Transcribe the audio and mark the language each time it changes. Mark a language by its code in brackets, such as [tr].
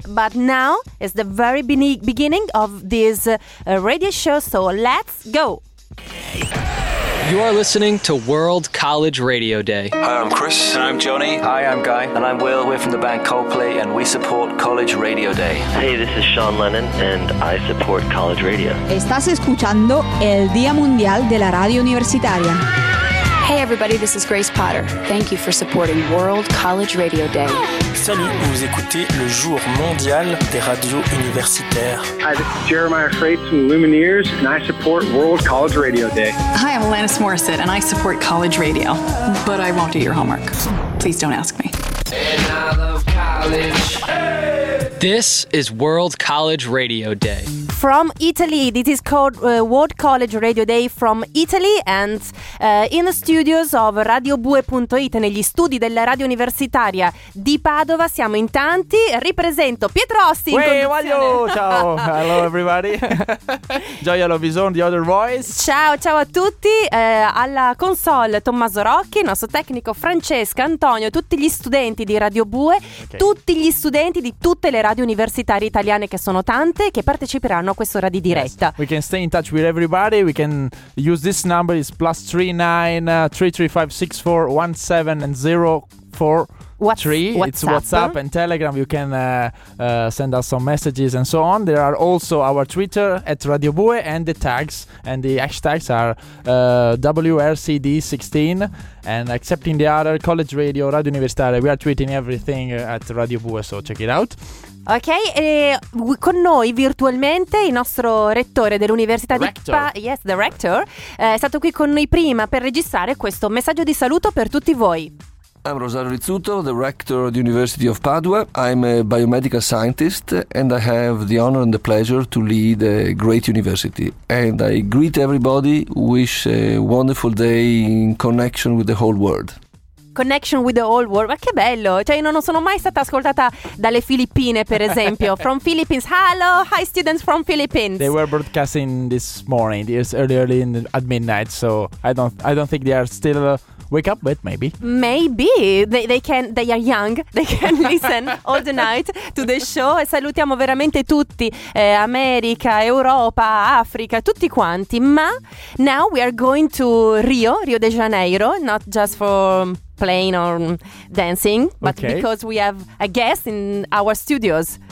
[en] But now is the very beginning of this radio show, so let's go. You are listening to World College Radio Day. Hi, I'm Chris. And I'm Johnny. Hi, I'm Guy. And I'm Will. We're from the band Coldplay, and we support College Radio Day. Hey, this is Sean Lennon, and I support College Radio. [es] Estás escuchando el Día Mundial de la Radio Universitaria. [en] Hey, everybody, this is Grace Potter. Thank you for supporting World College Radio Day. [fr] Salut, vous écoutez le jour mondial des radios universitaires. [en] Hi, this is Jeremiah Freight from Lumineers, and I support World College Radio Day. Hi, I'm Alanis Morissette, and I support College Radio. But I won't do your homework. Please don't ask me. And I love college. Hey! This is World College Radio Day. From Italy, this is called World College Radio Day from Italy, and in the studios of Radiobue.it, [it] negli studi della radio universitaria di Padova, siamo in tanti. Ripresento Pietro Ostin. Ciao, [en] hello everybody. Gioia Lovison, the other voice. [it] Ciao, ciao a tutti. Alla console Tommaso Rocchi, il nostro tecnico Francesca, Antonio, tutti gli studenti di Radiobue, okay, tutti gli studenti di tutte le radio universitarie italiane, che sono tante, che parteciperanno a quest'ora di diretta. [en] Yes. We can stay in touch with everybody. We can use this number, is +39 335 64 17 04. It's WhatsApp and Telegram. You can send us some messages and so on. There are also our Twitter at Radio Bue, and the tags and the hashtags are WRCD16 and Accepting the Other, College Radio, Radio Universitaria. We are tweeting everything at Radio Bue, so check it out. [it] Ok, e con noi virtualmente il nostro rettore dell'università [en] Rector, [it] è stato qui con noi prima per registrare questo messaggio di saluto per tutti voi. [en] I'm Rosario Rizzuto, the rector of the University of Padua. I'm a biomedical scientist and I have the honor and the pleasure to lead a great university. And I greet everybody, wish a wonderful day in connection with the whole world. Connection with the whole world, [it] ma che bello! Cioè, io non sono mai stata ascoltata dalle Filippine, per esempio. [en] From Philippines, hello, hi students from Philippines. They were broadcasting this morning, it's early in the, at midnight, so I don't think they are still wake up, but maybe. Maybe, they are young, they can listen all the night to the show. [it] E salutiamo veramente tutti, America, Europa, Africa, tutti quanti. [en] Ma now we are going to Rio de Janeiro, not just for playing or dancing, but okay, because we have a guest in our studios.